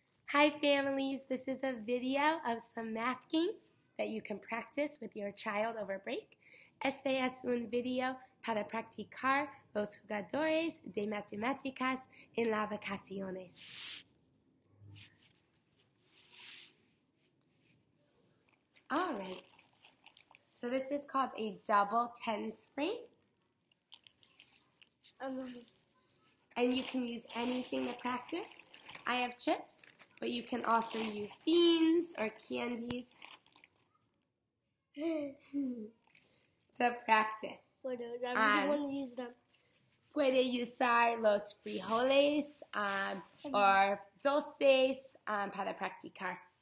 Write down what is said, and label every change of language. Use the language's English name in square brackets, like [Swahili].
[English] Hi families, this is a video of some math games that you can practice with your child over break. [Spanish] Este es un video para practicar los jugadores de matemáticas en las vacaciones. [English] All right, so this is called a double tens frame. And you can use anything to practice. I have chips, but you can also use beans or candies to practice. Bueno, I want to use them. [Spanish] Puede usar los frijoles or dulces para practicar.